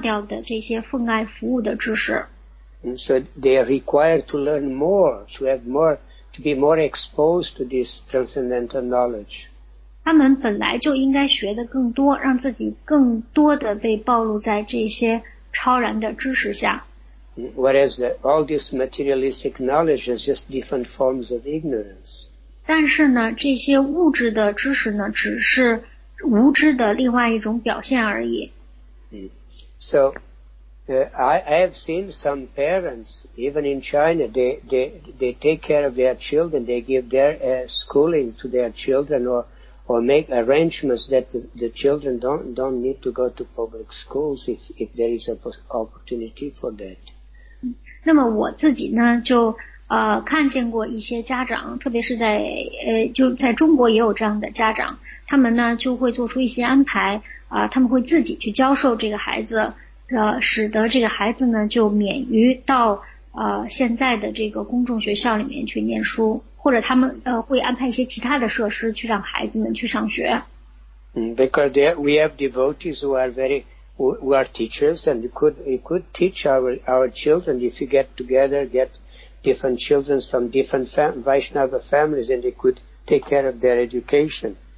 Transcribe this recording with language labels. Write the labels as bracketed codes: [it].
[zh] 他们本来就是应该继续着去学习他们在前世断掉的这些奉爱服务的知识。 [en] So they are required to learn more, to be more exposed to this transcendental knowledge. [zh] 他们本来就应该学得更多，让自己更多地被暴露在这些超然的知识下。 [en] Whereas all this materialistic knowledge is just different forms of ignorance. [zh] 但是呢，这些物质的知识呢，只是无知的另外一种表现而已。 [en] So, I have seen some parents, even in China, they take care of their children, they give their schooling to their children, or make arrangements that the children don't need to go to public schools if there is an opportunity for that. [zh] 那么我自己呢，就 看见过一些家长，特别是在就在中国也有这样的家长，他们呢就会做出一些安排，他们会自己去教授这个孩子，使得这个孩子呢就免于到现在的这个公众学校里面去念书，或者他们会安排一些其他的设施去让孩子们去上学。 [en] Because we have devotees who are teachers and could teach our children if you get together, get different children from different Vaishnava families, and they could take care of their education.